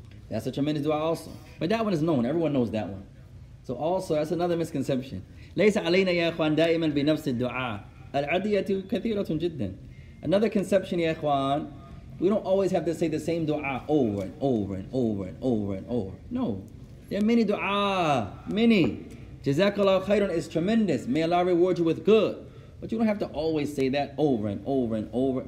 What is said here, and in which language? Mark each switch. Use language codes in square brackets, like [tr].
[en] That's a tremendous dua also. But that one is known. Everyone knows that one. So also, that's another misconception. [ar] ليس علينا يا إخوان دائما بنفس الدعاء. العدية كثيرة جدا. [en] Another conception, يا إخوان, we don't always have to say the same dua over and over and over and over and over. No. There are many dua. Many. Jazakallah khairun is tremendous. May Allah reward you with good. But you don't have to always say that over and over and over.